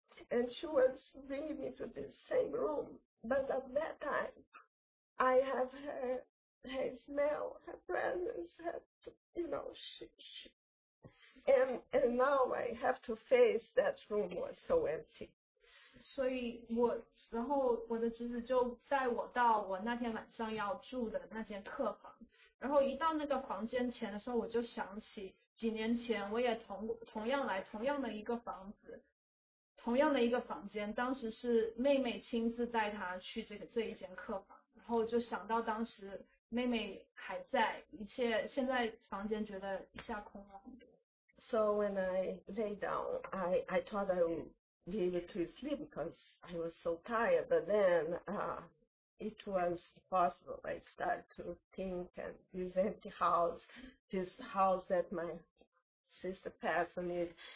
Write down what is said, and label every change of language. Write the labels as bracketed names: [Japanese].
[English] And she was bringing me to the same room. But at that time, I have her smell, her presence, she. And now I have to face that room was so empty. [Chinese] 所以我，然后我的侄子就带我到我那天晚上要住的那间客房。然后一到那个房间前的时候，我就想起几年前我也同样来同样的一个房子。同样的一个房间，当时是妹妹亲自带她去这一间客房，然后就想到当时妹妹还在，一切现在房间觉得一下空了很多。 [English] So when I lay down, I thought I would be able to sleep because I was so tired, but then it was impossible. I started to think, and this empty house, this house that my sister passed on it.